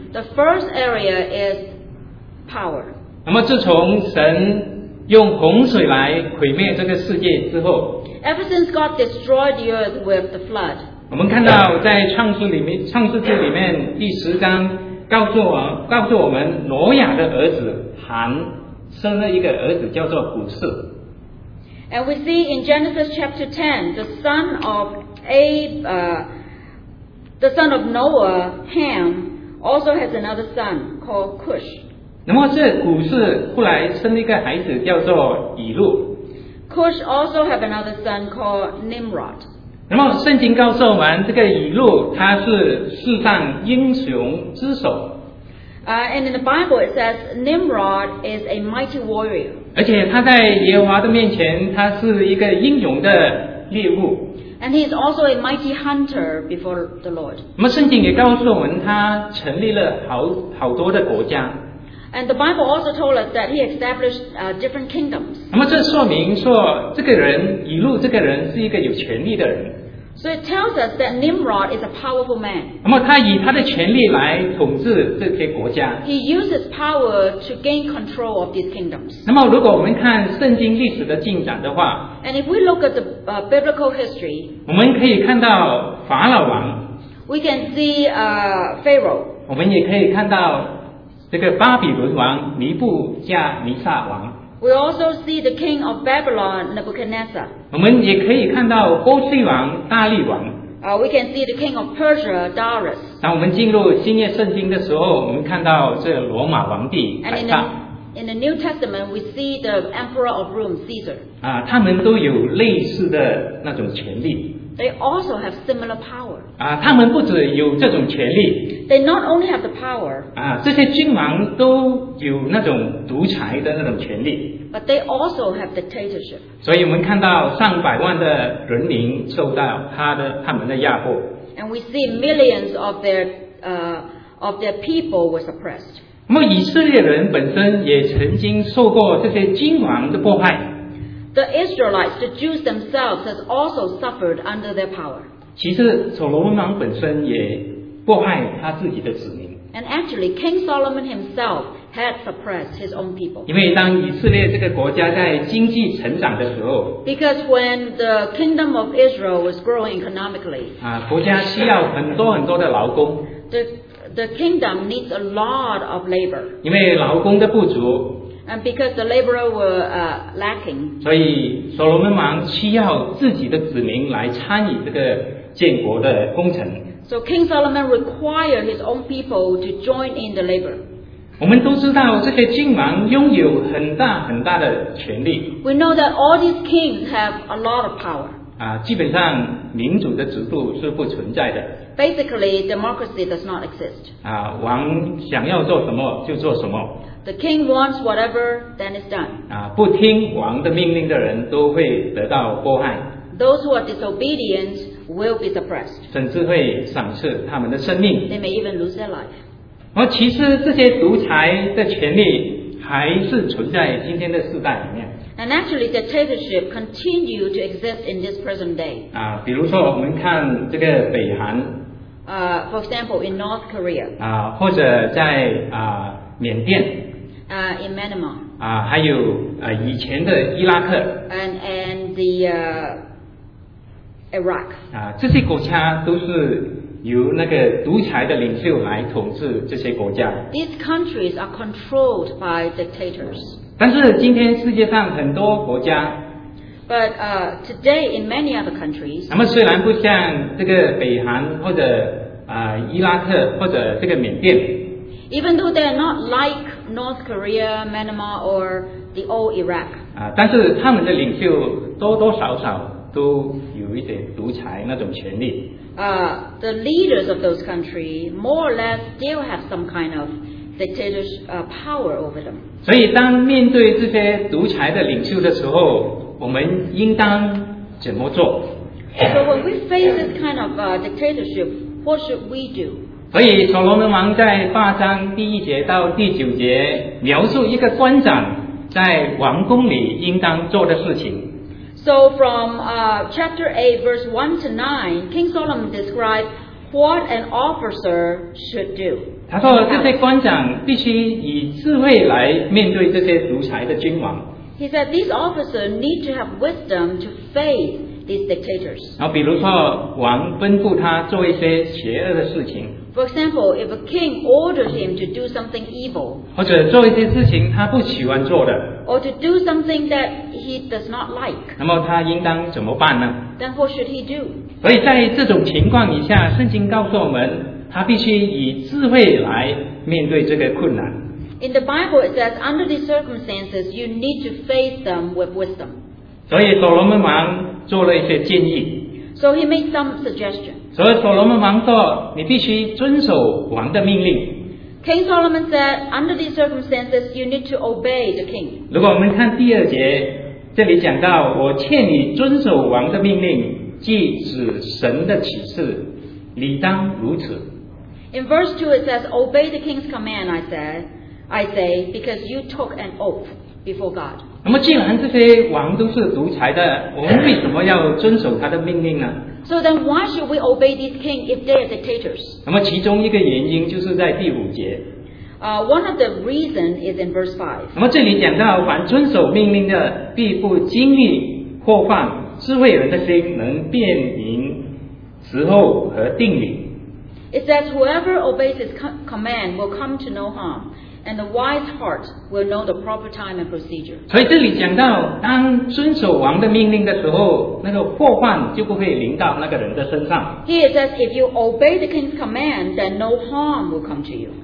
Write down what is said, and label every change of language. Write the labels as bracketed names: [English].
[English] The first area is power. [Chinese] 那么自从神用洪水来毁灭这个世界之后 [English] ，Ever since God destroyed the earth with the flood. [Chinese] 我们看到在创世纪里面第十章告诉我们挪亚的儿子韩生了一个儿子叫做古士。 [English] And we see in Genesis chapter 10, the son of Noah, Ham, also has another son called Cush. [Chinese] 那么这古士后来生了一个孩子叫做以路。 [English] Cush also has another son called Nimrod. [Chinese] 那么圣经告诉我们这个以路他是世上英雄之首。 [English] And in the Bible it says Nimrod is a mighty warrior. [Chinese] 而且他在耶和华的面前他是一个英勇的猎物。 [English] And he is also a mighty hunter before the Lord. [Chinese] 那么圣经也告诉我们他成立了好多的国家。 [English] And the Bible also told us that he established different kingdoms. [Chinese] 那么这说明说这个人以路这个人是一个有权力的人。 [English] So it tells us that Nimrod is a powerful man. [Chinese] 那么他以他的权力来统治这些国家。 [English] He uses power to gain control of these kingdoms. [Chinese] 那么如果我们看圣经历史的进展的话 [English] ，And if we look at the biblical history, [Chinese] 我们可以看到法老王。 [English] We can see Pharaoh. [Chinese] 我们也可以看到。这个巴比伦王尼布加尼撒王 [English] ，We also see the king of Babylon Nebuchadnezzar。 [Chinese] 我们也可以看到波斯王大力王。 [English] We can see the king of Persia Darius。 [Chinese] 当我们进入新约圣经的时候，我们看到这罗马皇帝凯撒。 [English] In the New Testament, we see the emperor of Rome Caesar。 [Chinese] 他们都有类似的那种权力。 [English] They also have similar power. [Chinese] 他们不只有这种权力。 [English] They not only have the power. [Chinese] 这些君王都有那种独裁的那种权力。 [English] But they also have dictatorship. [Chinese] 所以我们看到上百万的人民受到他们的压迫。 [English] And we see millions of their people were suppressed. [Chinese] 那么以色列人本身也曾经受过这些君王的迫害。 [English] The Israelites, the Jews themselves, has also suffered under their power. [Chinese] 其实所罗门王本身也迫害他自己的子民。 [English] And actually, King Solomon himself had suppressed his own people. [Chinese] 因为当以色列这个国家在经济成长的时候 [English] ，Because when the kingdom of Israel was growing economically, [Chinese] 国家需要很多很多的劳工。 [English] The kingdom needs a lot of labor. [Chinese] 因为劳工的不足。 [English] And because the laborer were lacking, [Chinese] 所以所罗门王需要自己的子民来参与这个建国的工程。 [English] So King Solomon required his own people to join in the labor. [Chinese] 我们都知道这些君王拥有很大很大的权力。 [English] We know that all these kings have a lot of power. [Chinese] 啊，基本上民主的制度是不存在的。 [English] Basically, democracy does not exist. [Chinese] 啊，王想要做什么就做什么。 [English] The king wants whatever, then it's done. [Chinese] 啊，不听王的命令的人都会得到迫害。 [English] Those who are disobedient will be suppressed. [Chinese] 甚至会丧失他们的生命。 [English] They may even lose their life. [Chinese] 而其实这些独裁的权力还是存在今天的世代里面。 [English] And actually, dictatorship continue to exist in this present day. [Chinese] 啊，比如说我们看这个北韩。 [English] For example, in North Korea. [Chinese] 啊，或者在啊缅甸。 [English] In Myanmar. [Chinese] 啊，还有以前的伊拉克。 [English] And the Iraq. [Chinese] 啊，这些国家都是。由那个独裁的领袖来统治这些国家。 [English] These countries are controlled by dictators. [Chinese] 但是今天世界上很多国家。 [English] But today in many other countries. [Chinese] 那么虽然不像这个北韩或者伊拉克或者这个缅甸。 [English] Even though they are not like North Korea, Myanmar, or the old Iraq. [Chinese] 但是他们的领袖多多少少都有一点独裁那种权力。 [English] The leaders of those countries more or less still have some kind of dictator's power over them. [Chinese] 所以当面对这些独裁的领袖的时候，我们应当怎么做？ [English] So when we face this kind of dictatorship, what should we do? [Chinese] 所以所罗门王在八章第一节到第九节描述一个官长在王宫里应当做的事情。 [English] So from chapter 8, verse 1 to 9, King Solomon describes what an officer should do. [Chinese] 他说这些官长必须以智慧来面对这些独裁的君王。 [English] He said these officers need to have wisdom to face these dictators. [Chinese] 然后比如说王吩咐他做一些邪恶的事情。 [English] For example, if a king ordered him to do something evil, [Chinese] 或者做一些事情他不喜欢做的， [English] or to do something that he does not like, [Chinese] 那么他应当怎么办呢？ [English] Then what should he do? [Chinese] 所以在这种情况以下，圣经告诉我们，他必须以智慧来面对这个困难。 [English] In the Bible, it says, under these circumstances, you need to face them with wisdom. [Chinese] 所以所罗门王做了一些建议。 [English] So he made some suggestions. [Chinese] 所以所罗门王说你必须遵守王的命令。 [English] King Solomon said, under these circumstances, you need to obey the king. [Chinese] 如果我们看第二节，这里讲到我劝你遵守王的命令，即指神的启示，理当如此。 [English] In verse 2 it says, obey the king's command, I say, because you took an oath before God. [Chinese] 那么既然这些王都是独裁的，我们为什么要遵守他的命令呢？ [English] So then why should we obey these kings if they are dictators? [Chinese] 那么其中一个原因就是在第五节。 [English] One of the reasons is in verse 5. [Chinese] 那么这里讲到凡遵守命令的必不经历祸患，智慧人的心能辨明时候和定理。 [English] It says whoever obeys his command will come to no harm, and the wise heart will know the proper time and procedure. [Chinese] 所以这里讲到当遵守王的命令的时候，那个祸患就不会临到那个人的身上。 [English] Here it says, if you obey the king's command, then no harm will come to you.